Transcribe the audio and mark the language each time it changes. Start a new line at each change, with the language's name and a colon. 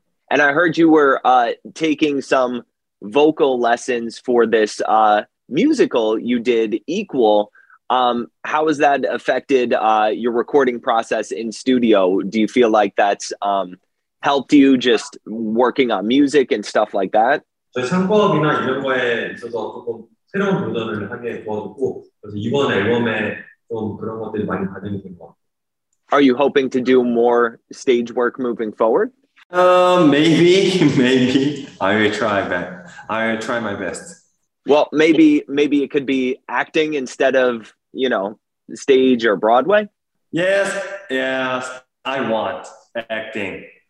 English: And I heard you were taking some vocal lessons for this musical you did, Equal. How has that affected your recording process in studio? Do you feel like that's helped you just working on music and stuff like that?
Korean: 저희 창법이나 이런 거에 있어서 조금 새로운 도전을 하게 되었고, 그래서 이번 앨범에 좀 그런 것들이 많이 반영이 된 것 같아요.
English: Are you hoping to do more stage work moving forward? Maybe. I will try my best. Well, maybe it could be acting instead of, you know, stage or Broadway. Yes, I want acting.